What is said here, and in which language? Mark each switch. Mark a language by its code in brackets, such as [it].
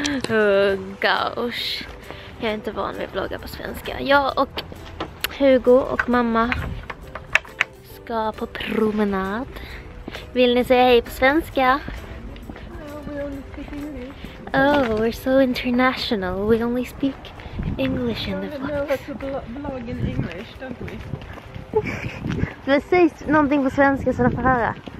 [en] Oh gosh. [sv] Jag är inte van vid att vlogga på svenska. Jag och Hugo och mamma ska på promenad. Vill ni säga hej på svenska? [en] Oh, we're so international. We only speak English in the vlogs. We know how to vlog in English, don't we? [sv] Men säg någonting på svenska så de får höra.